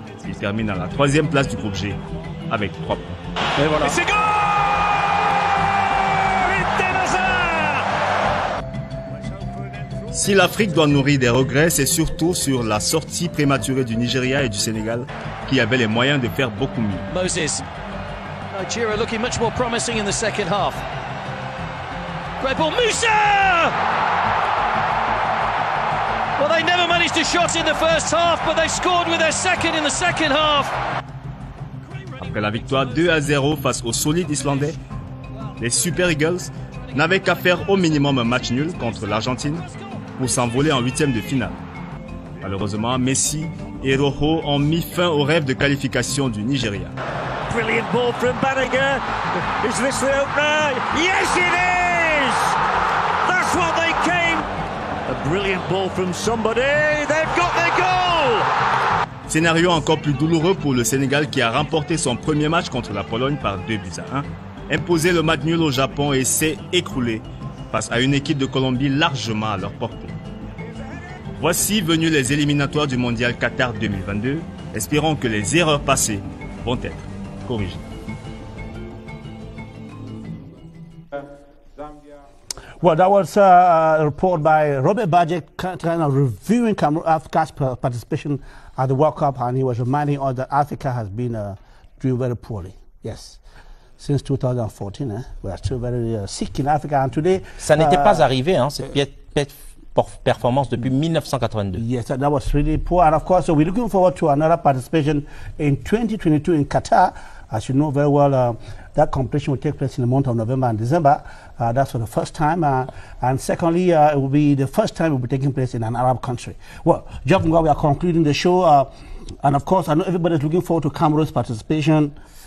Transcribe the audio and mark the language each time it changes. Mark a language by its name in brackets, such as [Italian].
[French] Ils terminent à la troisième place du groupe G avec 3 points. Et voilà. Et c'est goal ! Eden Hazard ! Si l'Afrique doit nourrir des regrets, c'est surtout sur la sortie prématurée du Nigeria et du Sénégal qui avaient les moyens de faire beaucoup mieux. [English] Moses. Nigeria looking much more promising in the second half. Great ball, Moussa! Well, they never managed a shot in the first half, but they scored with their second in the second half. [French] Après la victoire 2-0 face aux solides Islandais, les Super Eagles n'avaient qu'à faire au minimum un match nul contre l'Argentine pour s'envoler en huitième de finale. Malheureusement, Messi et Rojo ont mis fin au rêve de qualification du Nigeria. [English] Brilliant ball from Banega. Is this the opener? Yes, it is! That's what they came. A brilliant ball from somebody. They've got their goal! [French] Scénario encore plus douloureux pour le Sénégal qui a remporté son premier match contre la Pologne par 2-1, imposé le match nul au Japon et s'est écroulé face à une équipe de Colombie largement à leur portée. Voici venus les éliminatoires du Mondial Qatar 2022. Espérons que les erreurs passées vont être corrigées. [English] Well, that was a report by Robert Badjek, kind of reviewing Africa's participation at the World Cup, and he was reminding us that Africa has been doing very poorly. Yes, since 2014, we are still very sick in Africa. And today, [French] ça n'était pas arrivé, hein, cette performance depuis 1982. [English] Yes, that was really poor. And of course, so we're looking forward to another participation in 2022 in Qatar. As you know very well, that competition will take place in the month of November and December. That's for the first time. And secondly, it will be the first time it will be taking place in an Arab country. Well, Jeff, we are concluding the show. And of course, I know everybody's looking forward to Cameroon's participation.